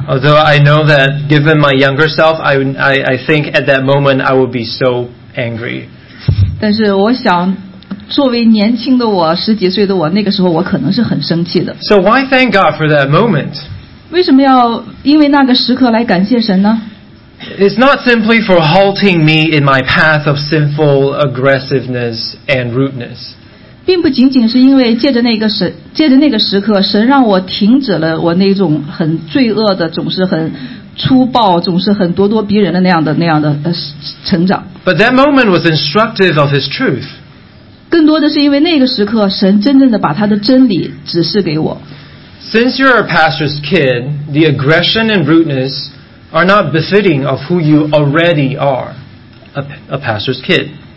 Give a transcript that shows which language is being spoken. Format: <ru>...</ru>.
<en>Although I know that given my younger self, I think at that moment I would be so angry.</en> <zh>但是我想，作为年轻的我，十几岁的我，那个时候我可能是很生气的。</zh> <en>So why thank God for that moment?</en> <zh>为什么要因为那个时刻来感谢神呢？</zh> <en>It's not simply for halting me in my path of sinful aggressiveness and rudeness.</en> <zh>并不仅仅是因为借着那个时刻，神让我停止了我那种很罪恶的，总是很粗暴，总是很咄咄逼人的那样的成长。</zh> <en>But that moment was instructive of His truth.</en> <zh>更多的是因为那个时刻，神真正的把他的真理指示给我。</zh> <en>Since you're a pastor's kid, the aggression and rudeness are not befitting of who you already are, a pastor's kid.</en>